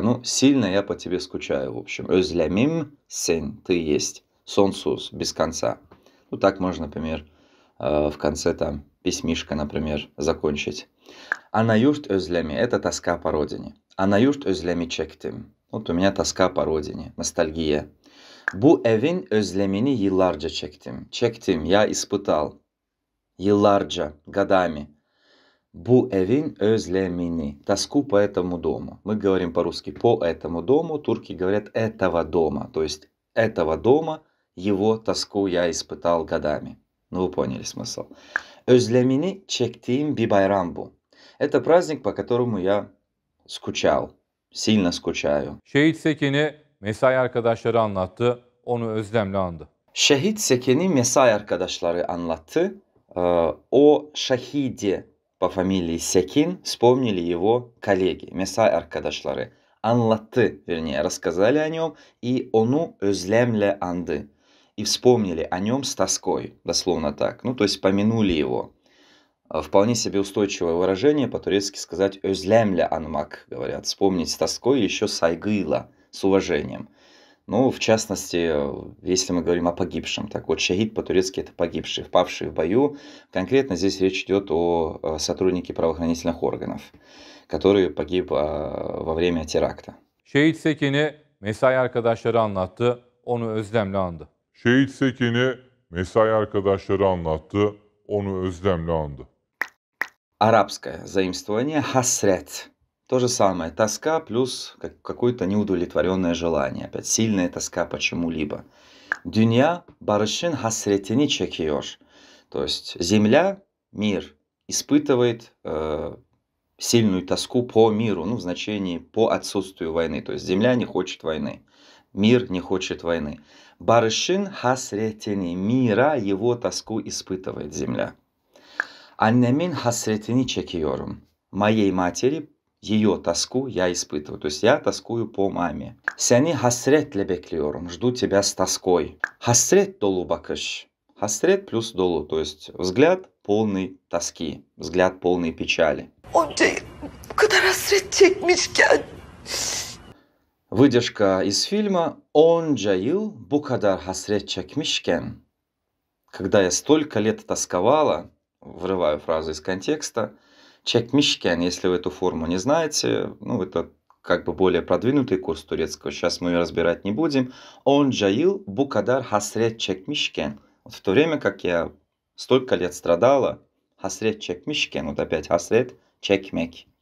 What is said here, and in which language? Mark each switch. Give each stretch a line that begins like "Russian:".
Russian: Ну, сильно я по тебе скучаю, в общем.
Turkish: «Özlemim sen»
Russian: — «ты есть», «sonsuz» — «без конца». Ну, так можно, например, в конце там письмишко, например, закончить.
Turkish: «Ana yurt özlemi»
Russian: — это тоска по родине.
Turkish: «Ana yurt özlemi çektim»
Russian: — вот у меня тоска по родине, ностальгия.
Turkish: «Bu evin özlemini yıllarca çektim» — «çektim» —
Russian: «я испытал».
Turkish: «Yıllarca»
Russian: — «годами».
Turkish: «Bu evin özlemini»
Russian: – «тоску по этому дому». Мы говорим по-русски «по этому дому», турки говорят «этого дома». То есть «этого дома» – его тоску я испытал годами. Ну, вы поняли смысл.
Turkish: «Özlemini çektiğim bir bayram bu»
Russian: – это праздник, по которому я скучал, сильно скучаю.
Turkish: Şehit Sekin'i mesai arkadaşları anlattı, onu özlemle andı. Şehit Sekin'i mesai arkadaşları anlattı, o şehidi
Russian: по фамилии Секин вспомнили его коллеги,
Turkish: месай аркадашлары, анлатты,
Russian: вернее, рассказали о нем, и
Turkish: ону özlemle andı,
Russian: и вспомнили о нем с тоской, дословно так, ну, то есть, помянули его. Вполне себе устойчивое выражение, по-турецки сказать
Turkish: özlemle anmak,
Russian: говорят, вспомнить с тоской, еще saygıyla, с уважением. Ну, в частности, если мы говорим о погибшем, так вот, шахид по-турецки это погибший, впавший в бою. Конкретно здесь речь идет о сотруднике правоохранительных органов, который погиб во время теракта.
Turkish: Şehit Sekin'i mesai arkadaşları anlattı, onu özlemle andı. Şehit Sekin'i mesai arkadaşları anlattı, onu özlemle andı.
Russian: Арабское заимствование «hasret». То же самое, тоска плюс какое-то неудовлетворенное желание. Опять сильная тоска по чему-либо.
Turkish: Dünya barışın hasretini çekiyor.
Russian: То есть земля, мир, испытывает сильную тоску по миру, ну, в значении по отсутствию войны. То есть земля не хочет войны, мир не хочет войны.
Turkish: Barışın hasretini,
Russian: мира, его тоску испытывает земля.
Turkish: Annemin hasretini çekiyorum.
Russian: Моей матери ее тоску я испытываю. То есть я тоскую по маме.
Turkish: Seni hasretle bekliyorum.
Russian: Жду тебя с тоской.
Turkish: Hasret dolu bakış. Hasret плюс dolu.
Russian: То есть взгляд полный тоски. Взгляд полный печали.
Turkish: Onca bu kadar hasret çekmişken.
Russian: Выдержка из фильма.
Turkish: Onca yıl bu kadar hasret çekmişken.
Russian: Когда я столько лет тосковала. Вырываю фразу из контекста. Чекмишкен, если вы эту форму не знаете, ну, это как бы более продвинутый курс турецкого, сейчас мы ее разбирать не будем.
Turkish: Он джаил букадар хасрет чекмишкен.
Russian: Вот в то время, как я столько лет страдала,
Turkish: хасрет чекмишкен,
Russian: вот опять
Turkish: хасрет чекмек.